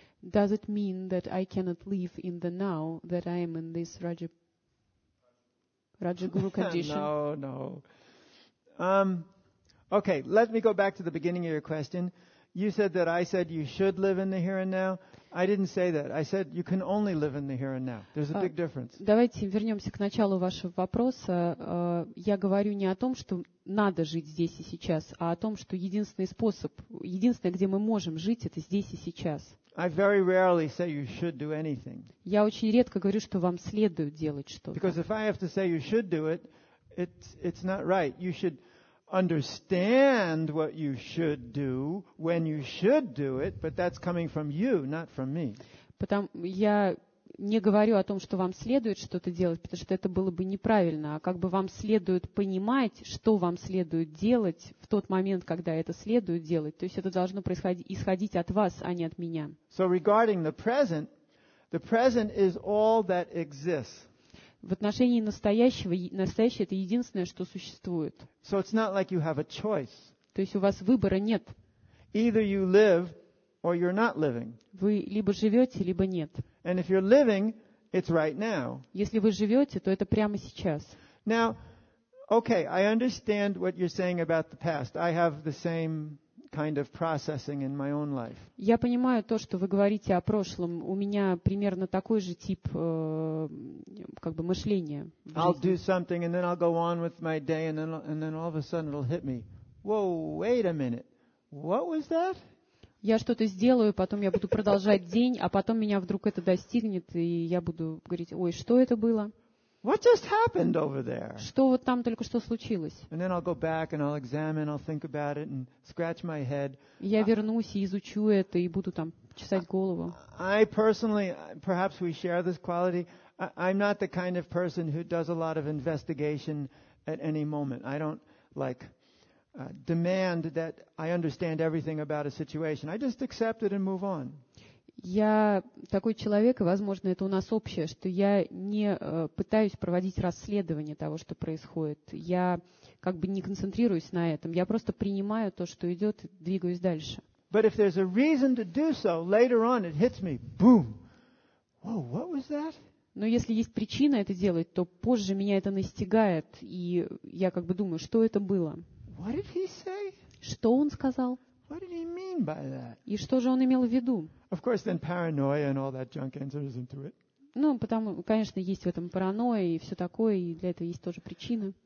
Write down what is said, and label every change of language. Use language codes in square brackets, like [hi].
[en] Does it mean that I cannot live in the now, that I am in this Raja-Guru condition? No. Okay, let me go back to the beginning of your question. You said that I said you should live in the here and now. I didn't say that. I said you can only live in the here and now. There's a big difference. [ru] Давайте вернемся к началу вашего вопроса. Я говорю не о том, что надо жить здесь и сейчас, а о том, что единственный способ, единственное, где мы можем жить, это здесь и сейчас. [en] I very rarely say you should do anything. [ru] Я очень редко говорю, что вам следует делать что-то. [en] Because if I have to say you should do it, it's not right. You should understand what you should do when you should do it, but that's coming from you, not from me. [ru] Я не говорю о том, что вам следует что-то делать, потому что это было бы неправильно, а как бы вам следует понимать, что вам следует делать в тот момент, когда это следует делать. То есть это должно исходить от вас, а не от меня. [en] So regarding the present is all that exists. [ru] В отношении настоящего, настоящее — это единственное, что существует. [en] So it's not like you have a choice. [ru] То есть у вас выбора нет. [en] Either you live or you're not living. [ru] Вы либо живете, либо нет. [en] And if you're living, it's right now. [ru] Если вы живете, то это прямо сейчас. [en] Now, okay, I understand what you're saying about the past. I have the same kind of processing in my own life. [ru] Я понимаю то, что вы говорите о прошлом. У меня примерно такой же тип как бы мышления. [en] I'll do something and then I'll go on with my day and then all of a sudden it'll hit me. Whoa, wait a minute. What was that? [ru] Я что-то сделаю, потом я буду продолжать день, а потом меня вдруг это достигнет, и я буду говорить: "Ой, что это было?" [en] What just happened over there? [ru] Что вот там только что случилось? [en] And then I'll go back and I'll examine, I'll think about it and scratch my head. [ru] Я вернусь и изучу это и буду там чесать голову. [en] I personally, perhaps we share this quality. I'm not the kind of person who does a lot of investigation at any moment. I don't like demand that I understand everything about a situation. I just accept it and move on. [ru] Я такой человек, и, возможно, это у нас общее, что я не пытаюсь проводить расследование того, что происходит. Я как бы не концентрируюсь на этом. Я просто принимаю то, что идет, и двигаюсь дальше. [en] But if there's a reason to do so, later on it hits me. Boom. Whoa, what was that? [ru] Но если есть причина это делать, то позже меня это настигает, и я как бы думаю, что это было? [en] What did he say? [ru] Что он сказал? [en] What did he mean by that? [ru] И что же он имел в виду? [en] Of course, then paranoia and all that junk enters into it. [ru] Ну, потому, конечно, есть в этом паранойя и все такое, и для этого есть тоже причины.